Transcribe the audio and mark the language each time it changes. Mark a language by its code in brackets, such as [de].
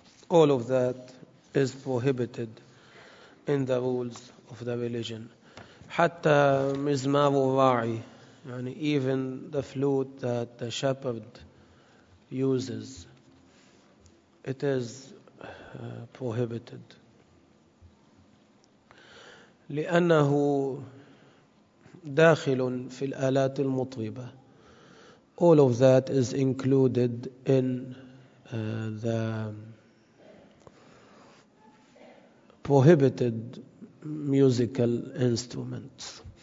[en] All of that is prohibited in the rules of the religion. [ar] حتى مزمار الراعي, يعني [en] even the flute that the shepherd uses, it is prohibited. [ar] لأنه داخل في الآلات المطربة. [en] All of that is included in the prohibited musical instruments.